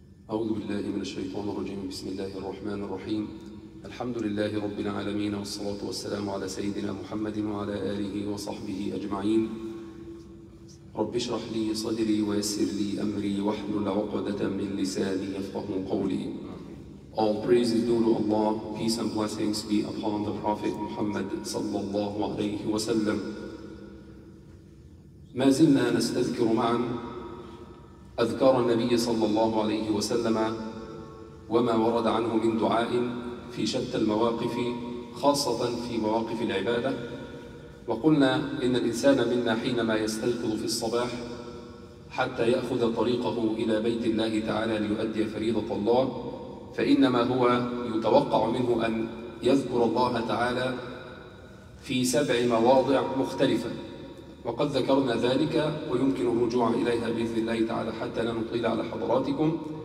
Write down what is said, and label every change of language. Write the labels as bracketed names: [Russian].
[Arabic] أعوذ بالله من الشيطان الرجيم. بسم الله الرحمن الرحيم. الحمد لله رب العالمين، والصلاة والسلام على سيدنا محمد وعلى آله وصحبه أجمعين. رب اشرح لي صدري ويسر لي أمري واحلل عقدة من لساني يفقهوا قولي. [English] All praise is due to Allah, peace and blessings be upon the Prophet Muhammad [Arabic] صلى الله عليه وسلم. ما زلنا نستذكر معا أذكار النبي صلى الله عليه وسلم وما ورد عنه من دعاء في شتى المواقف، خاصة في مواقف العبادة. وقلنا إن الإنسان منا حينما يستيقظ في الصباح حتى يأخذ طريقه إلى بيت الله تعالى ليؤدي فريضة الله، فإنما هو يتوقع منه أن يذكر الله تعالى في سبع مواضع مختلفة، وقد ذكرنا ذلك ويمكن الرجوع إليها بإذن الله تعالى حتى لا نطيل على حضراتكم.